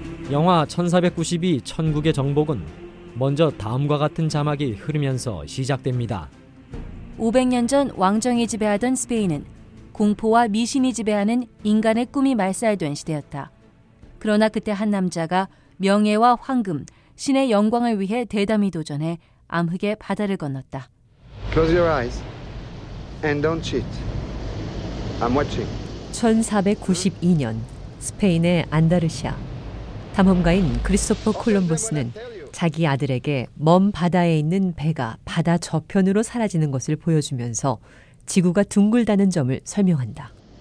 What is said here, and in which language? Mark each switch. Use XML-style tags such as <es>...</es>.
<ko>영화 1492 천국의 정복은 먼저 다음과 같은 자막이 흐르면서 시작됩니다. 500년 전 왕정이 지배하던 스페인은 공포와 미신이 지배하는 인간의 꿈이 말살된 시대였다. 그러나 그때 한 남자가 명예와 황금, 신의 영광을 위해 대담이 도전해 암흑의 바다를 건넜다.</ko> <en>Close your eyes and don't cheat. I'm watching.</en> <ko>1492년 스페인의 안다르시아. 탐험가인 크리스토퍼 콜럼버스는 자기 아들에게 먼 바다에 있는 배가 바다 저편으로 사라지는 것을 보여주면서 지구가 둥글다는 점을 설명한다.</ko>